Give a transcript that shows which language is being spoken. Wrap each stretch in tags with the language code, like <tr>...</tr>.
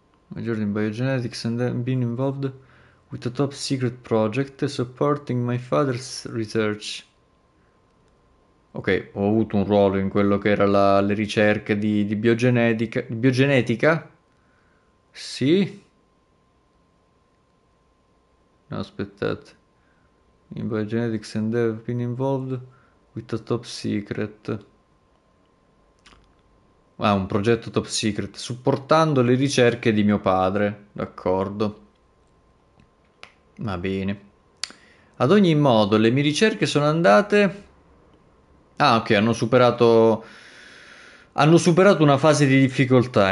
<en>Major in biogenetics and been involved with a top secret project supporting my father's research.</en> <it>Ok, ho avuto un ruolo in quello che era le ricerche di biogenetica. Biogenetica? Sì. No, aspettate.</it> <en>In biogenetics and have been involved with a top secret.</en> <it>Ah, un progetto top secret supportando le ricerche di mio padre. D'accordo. Va bene. Ad ogni modo, le mie ricerche sono andate. Ah, ok, hanno superato una fase di difficoltà.</it>